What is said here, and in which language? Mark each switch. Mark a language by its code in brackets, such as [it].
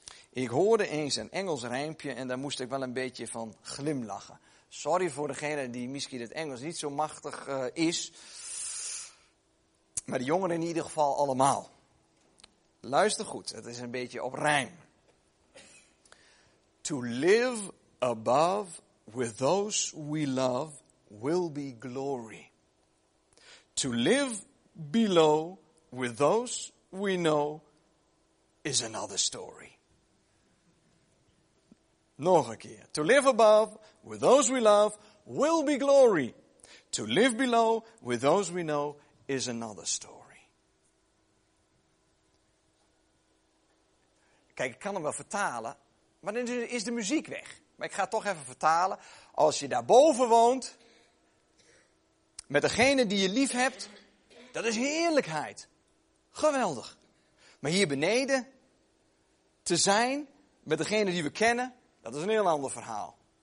[nl] Ik hoorde eens een Engels rijmpje en daar moest ik wel een beetje van glimlachen. Sorry voor degene die misschien het Engels niet zo machtig is. Maar de jongeren in ieder geval allemaal. Luister goed, het is een beetje op rijm. [en] To live above with those we love will be glory. To live below with those we know is another story. [nl] Nog een keer. [en] To live above with those we love will be glory. To live below with those we know is another story. [nl] Kijk, ik kan hem wel vertalen, maar dan is de muziek weg. Maar ik ga het toch even vertalen. Als je daarboven woont, met degene die je lief hebt, dat is heerlijkheid. Geweldig. Maar hier beneden, te zijn met degene die we kennen, dat is een heel ander verhaal.